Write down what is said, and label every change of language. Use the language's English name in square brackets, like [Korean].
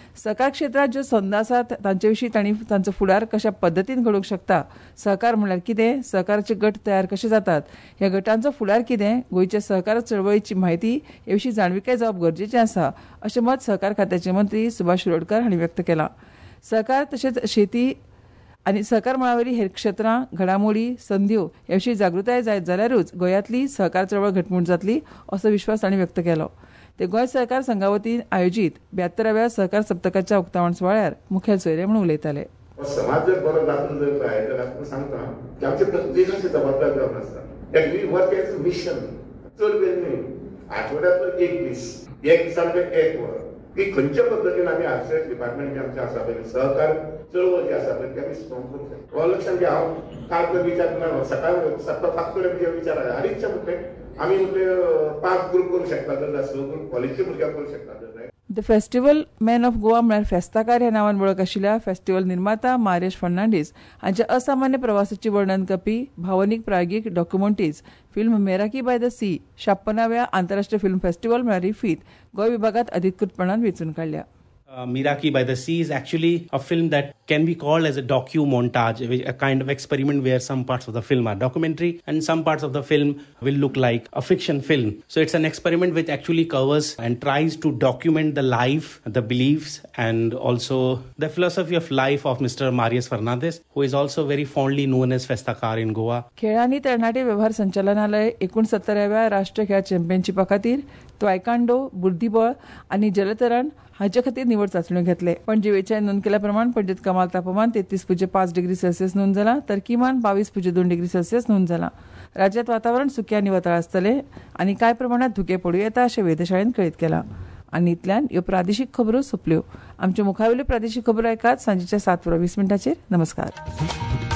[Konkani] सहकार क्षेत्रांत ज्यो संद आसात तांचे विशीं तांणी तांचो फुडार कशा पद्दतीन घडोवंक शकता, सहकार म्हणल्यार कितें, सहकाराचे गट तयार कशे जातात, ह्या गटांचो फुडार कितें, गोंयच्या सहकार चळवळीची माहिती हे विशीं जाणविकाय जावप गरजेचें आसा अशें मत सहकार खात्याचे मंत्री सुभाष रोडकर हांणी व्यक्त केलां. सहकार तशेंच शेती आनी सहकार मळावेली हेर क्षेत्रां घडामोडी संद्यो हे विशीं जागृताय जायत जाल्यारूच गोंयांतली सहकार चळवळ घटमूट जातली असो विश्वास तांणी व्यक्त केलो. ते गोंय सहकार संघा वतीन आयोजित 72व्या सहकार सप्तकाच्या उक्तावण सुवाळ्यार मुखेल सोयरे म्हणून उलयताले. समाज जर बरो दाखवून जर पळय सांगता की आमचे प्रत्येक अशें जबाबदार जावन आसा [English] एक week work as a mission. [Konkani] चड वेळ न्ही, आठवड्यांतलो एक दीस, एक दिसान ते एक वर की खंयच्या पद्दतीन आमी आर्सेट डिपार्टमेंट जे आमचे आसा पळय सहकार चळवळ जी आसा पळय ती आमी स्ट्रॉंग करूंक जाय. हो लक्षांत घे, हांव काल तो विचार करना सकाळ सप्ता पांच कडेन म्हणजे विचार आसा आरेच्या म्हणटा आमी म्हणजे 5 ग्रूप करूंक शकता जर स ग्रूप कॉलेजचे भुरग्यांक करूंक शकता. The festival man of Goa म्हळ्यार फेस्ताकार ह्या नांवान वळख आशिल्ल्या फेस्टिवल निर्माता मारेश फर्नांडीस हांच्या असामान्य प्रवासाची वर्णन करपी भावनीक प्रायोगीक documentaries film Meraki by the सी 56व्या आंतरराष्ट्रीय फिल्म फेस्टिवल म्हळ्यार इफ्फीत गोंय विभागात अधिकृतपणान वेचून काढल्या. [English] Miraki by the Sea is actually a film that can be called as a docu-montage, a kind of experiment where some parts of the film are documentary and some parts of the film will look like a fiction film. So it's an experiment which actually covers and tries to document the life, the beliefs and also the philosophy of life of Mr. Marius Fernandez, who is also very fondly known as Festakar in Goa. [Konkani] Kherani Tarnati Vibhar Sanchalanalai 69va Rashtrakhya Championship Akhatir त्वायकांडो बुद्धिबळ आनी जलतरण हाच्या खातीर निवड चाचण्यो घेतले. पणजे वेळच्या नोंद केल्या प्रमाण पणजेत कमाल तापमान 33.5 डिग्री सेल्सियस नोंद जाला तर किमान 22.2 डिग्री सेल्सियस नोंद जाला. राज्यात वातावरण सुके आनी वताळ आसतले आनी कांय प्रमाणात धुके पडूं येता अशें वेधशाळेन कळीत केला. आनी इतल्यान ह्यो प्रादेशीक खबरो सोंपल्यो. आमच्यो मुखावेल्यो प्रादेशीक खबरो आयकात सांजेच्या 7:20 मिनटांचेर. नमस्कार.